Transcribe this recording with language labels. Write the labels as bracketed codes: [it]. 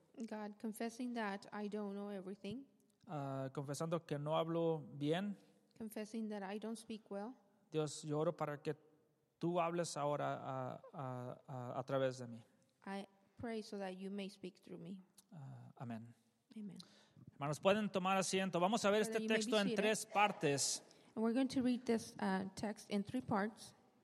[en] God, confessing that I don't know everything. [es] Confesando que no hablo bien. [en] Confessing that I don't speak well. [es] Dios, yo oro para que tú hables ahora a través de mí. [en] I pray so that you may speak through me. [es] Amén. [en] Amen. [es] Hermanos, pueden tomar asiento. Vamos a ver este texto en tres partes. [en] And we're going to read this text in three parts.